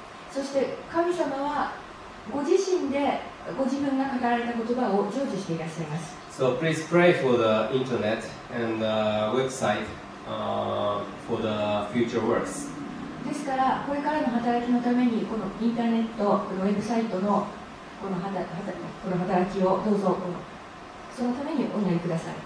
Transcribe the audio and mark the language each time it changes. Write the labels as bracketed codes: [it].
[ja] そして神様はご自身でご自分が語られた言葉を成就していらっしゃいます。 [en] So please pray for the internet and the website for the future works. [ja] ですからこれからの働きのためにこのインターネット、このウェブサイトのこの働きをどうぞこのそのためにお願いください。